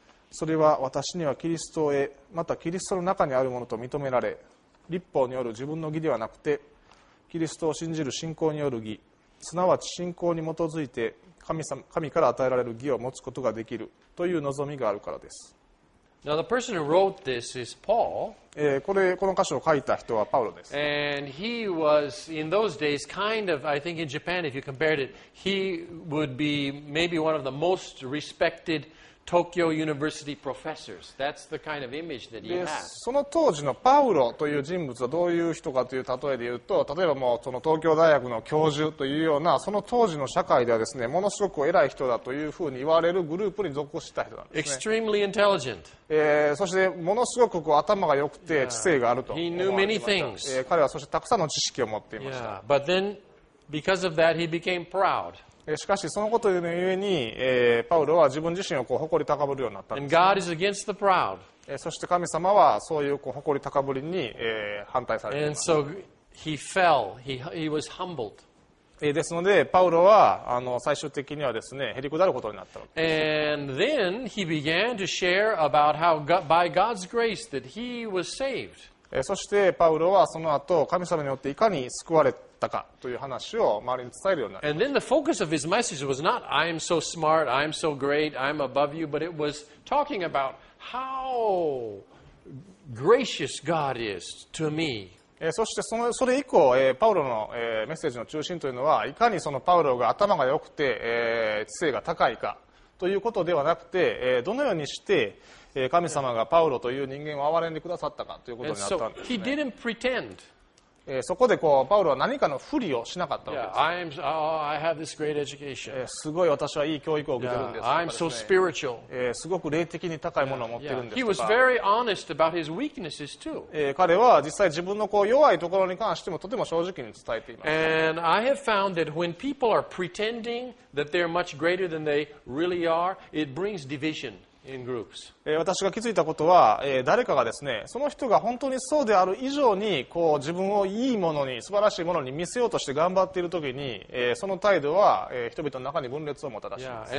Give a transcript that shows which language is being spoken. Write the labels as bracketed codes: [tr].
[ja] それは私にはキリストへ、またキリストの中にあるものと認められ、律法による自分の義ではなくて、キリストを信じる信仰による義、すなわち信仰に基づいて神から与えられる義を持つことができるという望みがあるからです。 [en] Now the person who wrote this is Paul. [ja] この箇所を書いた人はパウロです。 [en] And he was in those days kind of, I think in Japan, if you compared it, he would be maybe one of the most respected Tokyo University professors. That's the kind of image that he has. [ja] その当時のパウロという人物はどういう人かという例えで言うと、例えばもうその東京大学の教授というような、その当時の社会ではですね、ものすごく偉い人だというふうに言われるグループに属した人なんですね。 [en] Extremely intelligent. [ja] そしてものすごくこう頭が良くて知性があると思われました。 [en] He knew many things. [ja] 彼はそしてたくさんの知識を持っていました。 [en] Yeah. But then, because of that, he became proud. [ja] しかしそのことのゆえに、パウロは自分自身をこう誇り高ぶるようになったんです、ね。 [en] And God is against the proud. [ja] そして神様はそうい こう誇り高ぶりに、反対されています。 [en] And so he fell. He was humbled. [ja] ですので、パウロは最終的にはですね、へりくだることになったわけです。 [en] And then he began to share about how by God's grace that he was saved. [ja] そしてパウロはその後、神様によっていかに救われたという話を周りに伝えるようになる。 [en] And then the focus of his message was not, I'm so smart, I'm so great, I'm above you, but it was talking about how gracious God is to me. [ja] そしてそれ以降、パウロのメッセージの中心というのは、いかにそのパウロが頭が良くて、知性が高いかということではなくて、どのようにして神様がパウロという人間を憐れんでくださったかということになったんですね。 [en] And so he didn't pretend. [ja] そこでこうパウロは何かのふりをしなかったわけです。 [en] Yeah, I have this great education. [ja] すごい私はいい教育を受けてるんです。 [en] Yeah, I'm so spiritual. [ja] すごく霊的に高いものを持ってるんですとか。 [en] Yeah, yeah. He was very honest about his weaknesses too. [ja] 彼は実際自分のこう弱いところに関してもとても正直に伝えています。 [en] And I have found that when people are pretending that they're much greater than they really are, it brings division. In groups. [ja] 私が気づいたことは、誰かがですね、その人が本当にそうである以上にこう自分をいいものに、素晴らしいものに見せようとして頑張っているときに、その態度は、人々の中に分裂をもたらします。